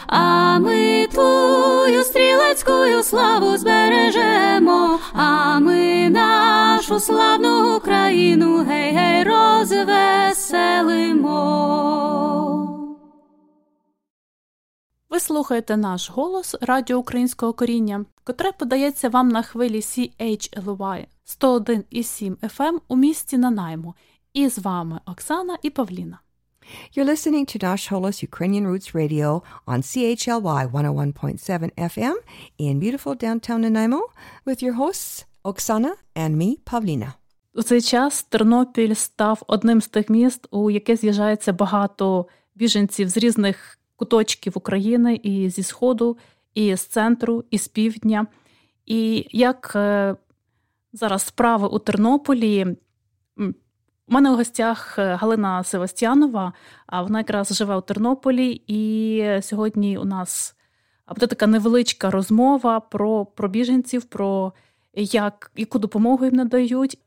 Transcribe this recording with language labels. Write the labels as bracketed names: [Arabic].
[Ukrainian] А ми твою стрілецькою славу збережемо, а ми нашу славну Україну гей-гей розвеселимо. Ви Ви слухаєте наш голос Радіо Українського коріння, котре подається вам на хвилі CHLY 101.7 FM у місті Нанаймо. І з вами Оксана і Павліна. [English] You're listening to Dash Holos Ukrainian Roots Radio on CHLY 101.7 FM in beautiful downtown Nanaimo with your hosts Оксана and me, Павліна. [Ukrainian] У цей час Тернопіль став одним з тих міст, у яке з'їжджається багато біженців з різних куточків України і зі Сходу, і з Центру, і з Півдня. І як зараз справи у Тернополі, у мене у гостях Галина Севастьянова, а вона якраз живе у Тернополі, і сьогодні у нас буде така невеличка розмова про біженців, про яку допомогу їм надають.